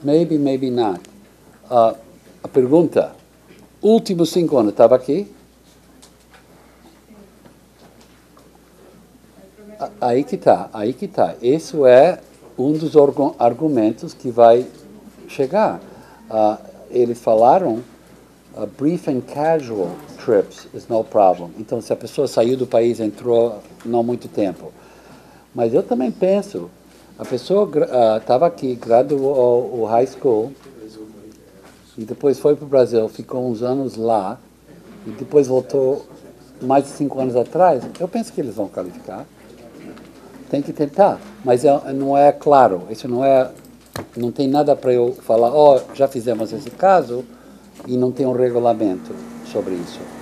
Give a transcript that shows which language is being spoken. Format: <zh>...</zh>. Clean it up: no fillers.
<en>Maybe, maybe not.</en> <pt>A pergunta, últimos 5 anos, estava aqui? Aí que está, aí que está. Isso é um dos argumentos que vai chegar. Eles falaram,</pt> <en>brief and casual trips is no problem.</en> <pt>Então, se a pessoa saiu do país, entrou não muito tempo. Mas eu também penso, a pessoa estava aqui, graduou o high school, e depois foi para o Brasil, ficou uns anos lá, e depois voltou mais de 5 anos atrás, eu penso que eles vão qualificar. Tem que tentar, mas não é claro, isso não é, não tem nada para eu falar, ó, já fizemos esse caso e não tem um regulamento sobre isso.</pt>